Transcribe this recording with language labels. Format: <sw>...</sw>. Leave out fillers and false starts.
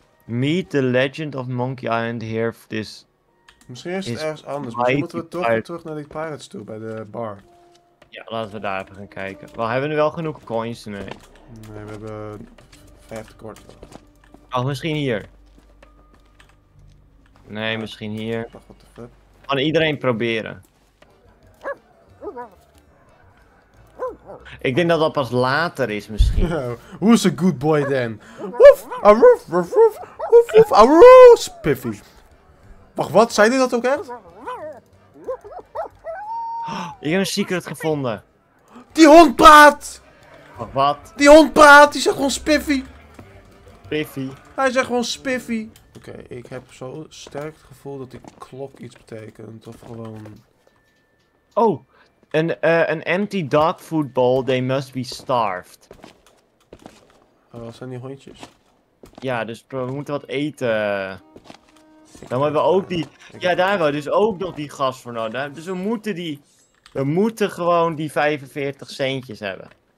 <en>Meet the legend of Monkey Island here for this.</en> <nl>Misschien is het ergens anders. Misschien moeten we toch terug naar die pirates toe bij de bar. Ja, laten we daar even gaan kijken. Well, hebben we nu wel genoeg coins? Nee. Nee, we hebben 5 tekort. Oh, misschien hier. Nee, ja, misschien hier. Wat de fuck? Kan iedereen proberen. Ik denk dat dat pas later is, misschien.</nl> <en>Who's a good boy then?</en> <nl>Woef, aroof, woef, woef, woef, woef, aroof, spiffy. Wacht, wat? Zei hij dat ook echt? Ik heb een secret gevonden. Die hond praat! Wat? Die hond praat, die zegt gewoon spiffy. Spiffy? Hij zegt gewoon spiffy. Oké, ik heb zo sterk het gevoel dat die klok iets betekent, of gewoon... Oh!</nl> <en>An empty dog food bowl, they must be starved.</en> <nl>Oh, wat zijn die hondjes? Ja, dus we moeten wat eten. Dan hebben we ook die... Ja, daar hebben we dus ook nog die gas voor nodig. Dus we moeten die... We moeten gewoon die 45 centjes hebben.</nl>